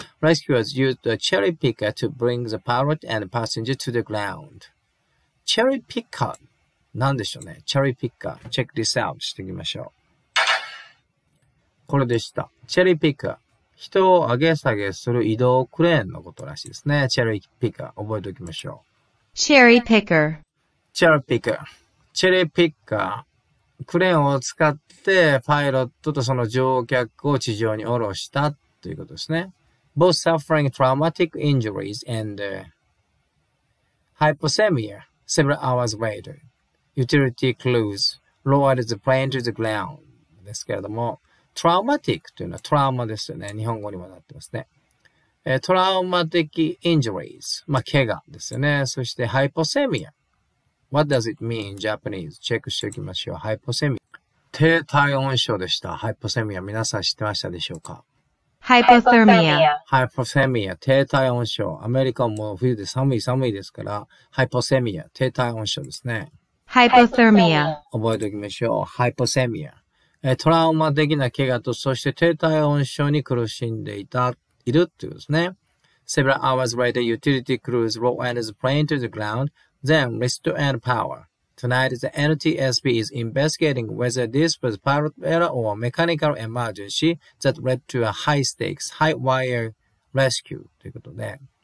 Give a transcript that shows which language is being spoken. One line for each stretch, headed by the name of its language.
English: Rescuers used a cherry picker to bring the pilot and passenger to the ground.
Japanese: チェリーピッカー、なんでしょうね。チェリーピッカー、
English: チェックディスアウト
Japanese: していきましょう。これでした。チェリーピッカー、人を上げ下げする移動クレーンのことらしいですね。チェリーピッカー、覚えておきましょう。チェリーピッカー、チェリーピッカー、チェリーピッカー、クレーンを使ってパイロットとその乗客を地上に降ろしたということですね。
English: Both suffering traumatic injuries and hypothermia. Several hours later, utility crews lowered the plane to the ground.
Japanese: ですけれども、traumatic というのはトラウマですよね。日本語にもなってますね。 traumatic injuries、まあ、怪我ですよね。そして
English: hypothermia。What does it mean in Japanese?
Japanese: チェックしておきましょう。 hypothermia。 低体温症でした。hypothermia。皆さん知ってましたでしょうか？
English: Hypothermia.
Japanese: Hypothermia. 低体温症。アメリカも冬で寒い寒いですから、Hypothermia. 低体温症ですね。
English: Hypothermia.
Japanese: 覚えておきましょう。Hypothermia. トラウマ的な怪我と、そして低体温症に苦しんでいた、いるっていうですね。
English: Several hours later, utility crews lowered the plane to the ground, then restored power. Tonight, the NTSB is investigating whether this was pilot error or mechanical emergency that led to a high stakes, high wire rescue
Japanese: ということで。